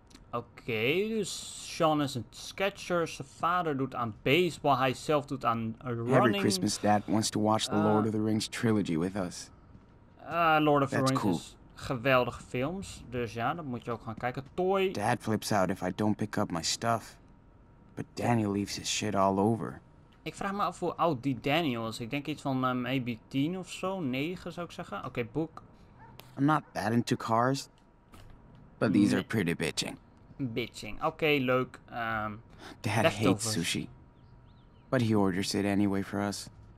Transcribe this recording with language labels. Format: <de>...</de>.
<nl>Okay, dus Sean is een sketcher. Zijn vader doet aan baseball. Hij zelf doet aan running.</nl> <en>Every Christmas, Dad wants to watch the Lord of the Rings trilogy with us.</en> <nl>Lord of the Rings cool. Is geweldige films. Dus ja, dat moet je ook gaan kijken.</nl> <en>Toy. Dad flips out if I don't pick up my stuff. But Daniel leaves his shit all over.</en> <nl>Ik vraag me af hoe oud die Daniel is. Ik denk iets van maybe 10 of zo. 9 zou ik zeggen. Okay, boek.</nl> <en>I'm not bad into cars. But these are pretty bitching.</en> <nl>Bitching. Okay, leuk.</nl> <en>Dad hates sushi. But he orders it anyway for us.</en>